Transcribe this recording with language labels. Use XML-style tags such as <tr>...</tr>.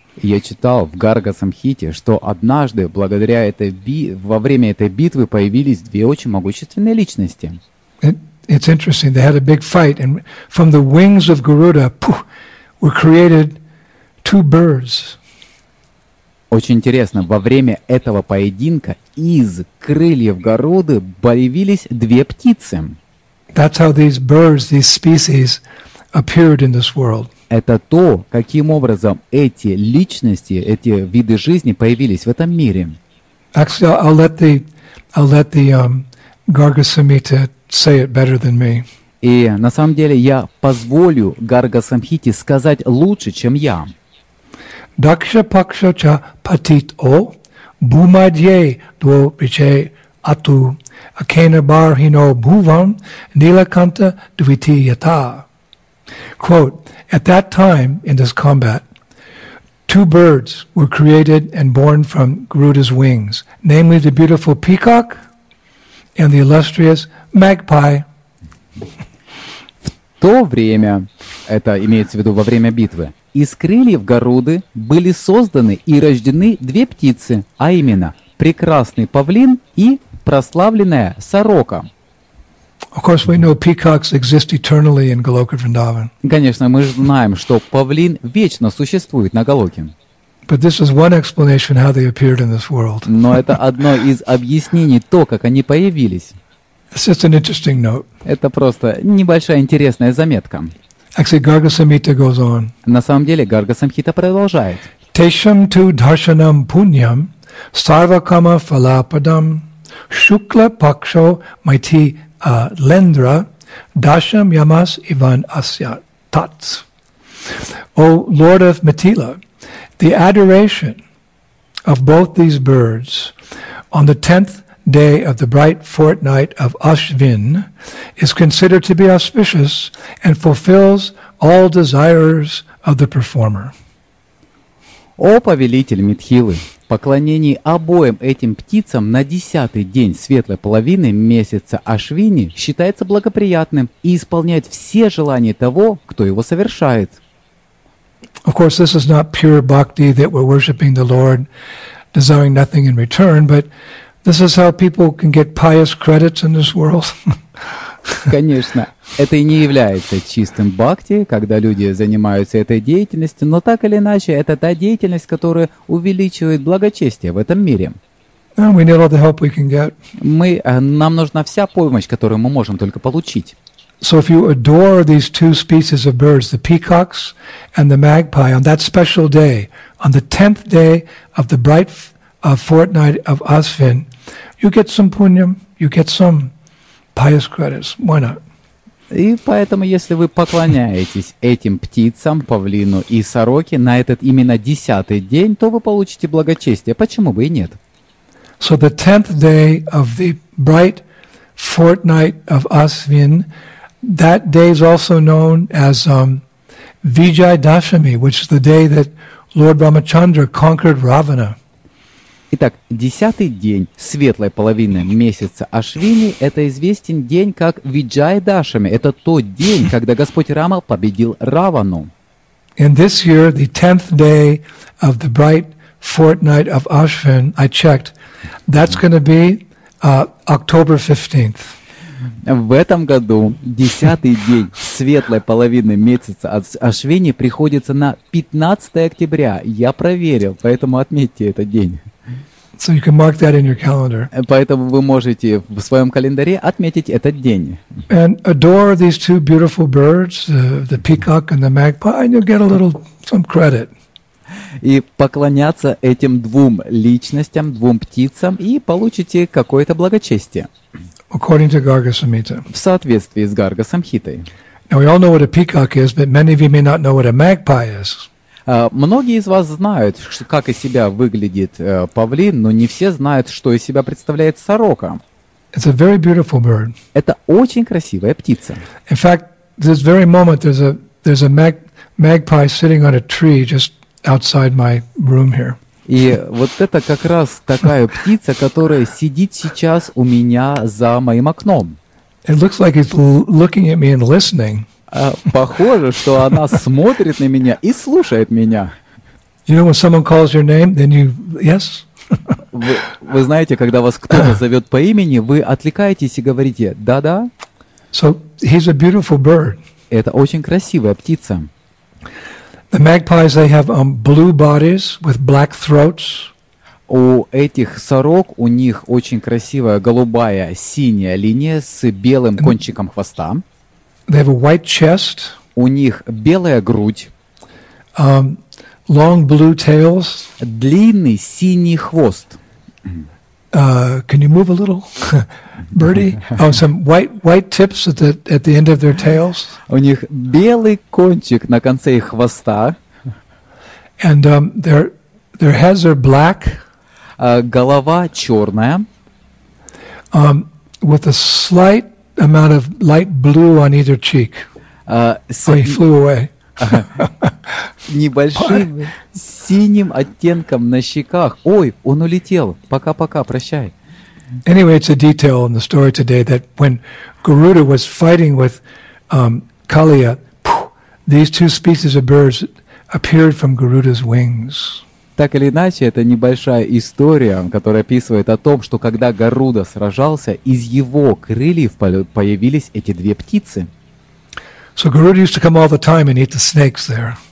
<ru>Я читал в Гарга Самхите, что однажды, благодаря этой во время этой битвы появились две очень могущественные личности.</ru> <en>It's interesting. They had a big fight, and from the wings of Garuda were created two birds.</en> <ru>Очень интересно. Во время этого поединка из крыльев Гаруды появились две птицы.</ru> <en>That's how these birds, these species, appeared in this world.</en> <ru>Это то, каким образом эти личности, эти виды жизни появились в этом мире.</ru> <en>Actually, I'll let the Garga Samhita say it better than me.</en> <ru>И на самом деле я позволю Гарга Самхите сказать лучше, чем я.</ru> <sa>Дакша пакша ча патит о бумадьей дво речей ату акена бархино бувам нилаканта двити ята.</sa> <en>Quote, at that time in this combat, Two birds were created and born from Garuda's wings, namely the beautiful peacock and the illustrious magpie.</en> <ru>В то время, это имеется в виду во время битвы, из крыльев Гаруды были созданы и рождены две птицы, а именно прекрасный павлин и прославленная сорока.</ru> <en>Of course, we know peacocks exist eternally in Goloka Vrindavan.</en> <ru>Конечно, мы знаем, что павлин вечно существует на Голоке.</ru> <en>But this is one explanation how they appeared in this world.</en> <ru>Но это одно из объяснений то, как они появились.</ru> <en>It's just an interesting note.</en> <ru>Это просто небольшая интересная заметка.</ru> <en>Actually, Gargasamhita goes on.</en> <ru>На самом деле, Гаргасамхита продолжает.</ru> <sa>Тешам ту даршанам пуньям сарвакама фалападам шукла пакшо майти Лендра, Дашам Ямас Иван Асья Татс.</sa> <en>O Lord of Mithila, the adoration of both these birds on the 10th day of the bright fortnight of Ashvin is considered to be auspicious and fulfills all desires of the performer.</en> <ru>О повелитель Митхилы, поклонение обоим этим птицам на десятый день светлой половины месяца Ашвини считается благоприятным и исполняет все желания того, кто его совершает.</ru> <en>Of course, this is not pure bhakti that we're worshiping the Lord, desiring nothing in return, but this is how people can get pious credits in this world.</en> <ru>Конечно, это и не является чистым бхакти, когда люди занимаются этой деятельностью, но так или иначе, это та деятельность, которая увеличивает благочестие в этом мире.</ru> <en>We need all the help we can get.</en> <ru>Нам нужна вся помощь, которую мы можем только получить.</ru> <en>So if you adore these two species of birds, the peacocks and the magpie, on that special day, on the 10th day of the bright fortnight of Ashvin, you get some punyam, you get some pious credits. Why not?</en> <ru>И поэтому, если вы поклоняетесь этим птицам, павлину и сороке на этот именно десятый день, то вы получите благочестие. Почему бы и нет?</ru> <en>So the 10th day of the bright fortnight of Ashvin, that day is also known as Vijayadashami, which is the day that Lord Ramachandra conquered Ravana.</en> <ru>Итак, десятый день светлой половины месяца Ашвини – это известен день как Виджайдашами. Это тот день, когда Господь Рама победил Равану.</ru> <en>And this year, the 10th day of the bright fortnight of Ashvin, I checked, that's going to be October 15th.</en> <ru>В этом году десятый день светлой половины месяца Ашвини приходится на 15 октября. Я проверил, поэтому отметьте этот день.</ru> <en>So you can mark that in your calendar.</en> <ru>Поэтому вы можете в своем календаре отметить этот день.</ru> <en>And adore these two beautiful birds, the peacock and the magpie, and you'll get a little some credit.</en> <ru>И поклоняться этим двум личностям, двум птицам, и получите какое-то благочестие.</ru> <en>According to Gargasamhita.</en> <ru>В соответствии с Гаргасамхитой.</ru> <en>Now we all know what a peacock is, but many of you may not know what a magpie is.</en> <ru>Многие из вас знают, как из себя выглядит павлин, но не все знают, что из себя представляет сорока.</ru> <en>It's a very beautiful bird.</en> <ru>Это очень красивая птица.</ru> <en>In fact, this very moment there's a magpie sitting on a tree just outside my room here.</en> <ru>И вот это как раз такая птица, которая сидит сейчас у меня за моим окном.</ru> <en>It looks like it's looking at me and listening.</en> <ru>Похоже, что она смотрит на меня и слушает меня.</ru> <en>You know, when someone calls your name, then you yes.</en> <ru>Вы знаете, когда вас кто-то зовет по имени, вы отвлекаетесь и говорите да-да.</ru> <en>So he's a beautiful bird.</en> <ru>Это очень красивая птица.</ru> <en>The magpies, they have blue bodies with black throats.</en> <ru>У этих сорок у них очень красивая голубая синяя линия с белым кончиком хвоста.</ru> <en>They have a white chest.</en> <ru>У них белая грудь.</ru> <en>Long blue tails.</en> <ru>Длинный синий хвост.</ru> <en>Can you move a little, birdie? Oh, some white tips at the end of their tails.</en> <ru>У них белый кончик на конце их хвоста.</ru> <en>And their heads are black.</en> <ru>Голова черная.</ru> <en>With a slight amount of light blue on either cheek. Oh, he flew away.</en> <ru>небольшим синим оттенком на щеках. Ой, он улетел. Пока-пока, прощай.</ru> <en>Anyway, it's a detail in the story today that when Garuda was fighting with Kaliya, these two species of birds appeared from Garuda's wings.</en> <ru>Так или иначе, это небольшая история, которая описывает о том, что когда Гаруда сражался, из его крыльев появились эти две птицы.</ru> <en>So Garuda used to come all the time and eat the snakes there.</en>